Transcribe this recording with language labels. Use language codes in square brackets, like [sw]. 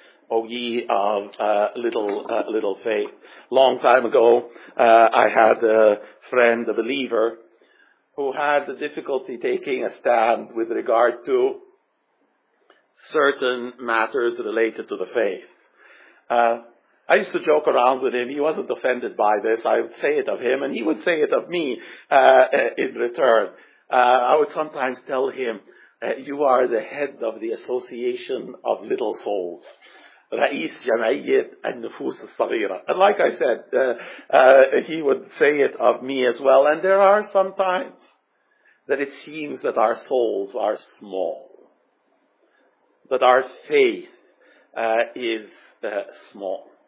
[en] O ye of little faith. Long time ago, I had a friend, a believer, who had the difficulty taking a stand with regard to certain matters related to the faith. I used to joke around with him. He wasn't offended by this. I would say it of him, and he would say it of me in return. I would sometimes tell him, you are the head of the Association of Little Souls. [ar] رئيس جمعية النفوس الصغيرة. [en] And like I said, he would say it of me as well. And there are some times that it seems that our souls are small. That our faith is small.